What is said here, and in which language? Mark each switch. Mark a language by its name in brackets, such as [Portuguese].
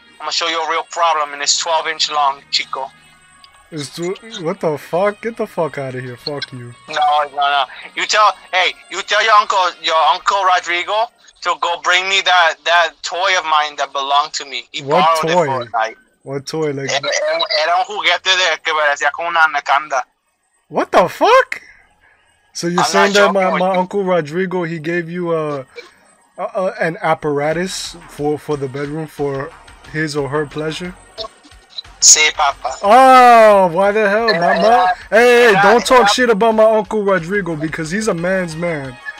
[English] I'm gonna show you a real problem, and it's 12 inch long, Chico. What the fuck? Get the fuck out of here! Fuck you. No. You tell your uncle Rodrigo to go bring me that toy of mine that belonged to me. What toy? Like [Spanish] era un juguete de que parecía con una anaconda. [English] What the fuck? So you're saying that my uncle Rodrigo he gave you a. An apparatus for the bedroom for his or her pleasure? [Spanish] Sí, papa. [English] Oh, why the hell? Hey, don't talk shit about my Uncle Rodrigo because he's a man's man.